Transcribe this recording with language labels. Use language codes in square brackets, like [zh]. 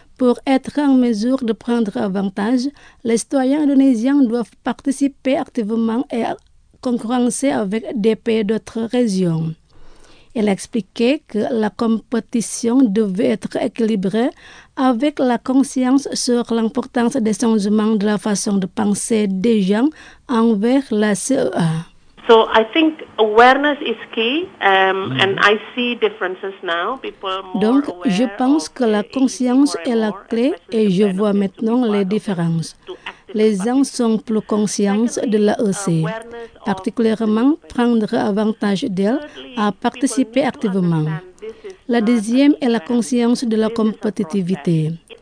[fr] Pour être en mesure de prendre avantage, les citoyens indonésiens doivent participer activement et concurrencer avec des pays d'autres régions. Il expliquait que la compétition devait être équilibrée avec la conscience sur l'importance des changements de la façon de penser des gens envers la CEA. [en] So I think awareness is key, and I see differences now. People are more [fr] Donc, [en] aware [fr] je pense que la conscience est la clé et je vois maintenant les différences. Les gens sont plus conscients de l'AEC, particulièrement prendre avantage d'elle à participer activement. La deuxième est la conscience de la compétitivité.